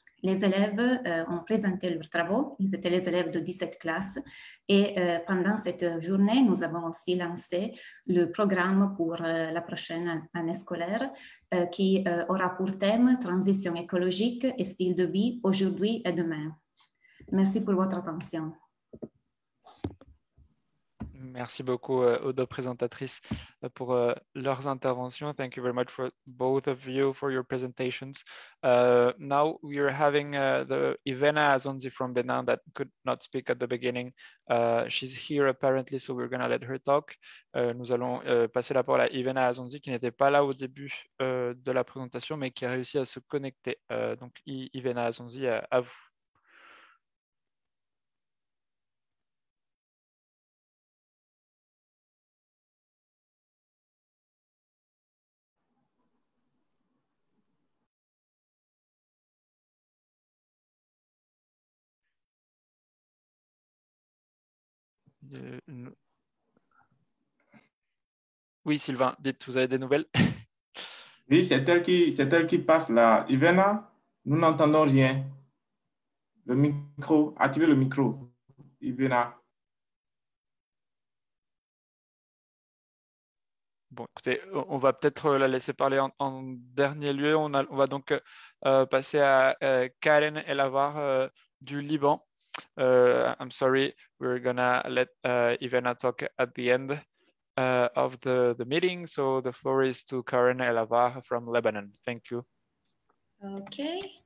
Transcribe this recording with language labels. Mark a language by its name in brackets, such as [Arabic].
[French] Les élèves ont présenté leurs travaux, ils étaient les élèves de 17 classes, et pendant cette journée, nous avons aussi lancé le programme pour la prochaine année scolaire, qui aura pour thème transition écologique et style de vie aujourd'hui et demain. Merci pour votre attention. Merci beaucoup aux deux présentatrices pour leurs interventions. [English] Thank you very much for both of you for your presentations. Now we are having the Ivena Azonzi from Benin that could not speak at the beginning. She's here apparently, so we're going to let her talk. [French] Nous allons passer la parole à Ivena Azonzi qui n'était pas là au début de la présentation mais qui a réussi à se connecter. Donc Ivena Azonzi, à vous. Oui, Sylvain, dites, vous avez des nouvelles? Oui, c'est elle qui passe là. Ivena, nous n'entendons rien. Le micro, activez le micro, Ivena. Bon, écoutez, on va peut-être la laisser parler en dernier lieu. On va donc passer à Karen Elavar du Liban. [English] I'm sorry, we're gonna let Ivena talk at the end of the meeting. So the floor is to Karen Elavar from Lebanon. Thank you. Okay.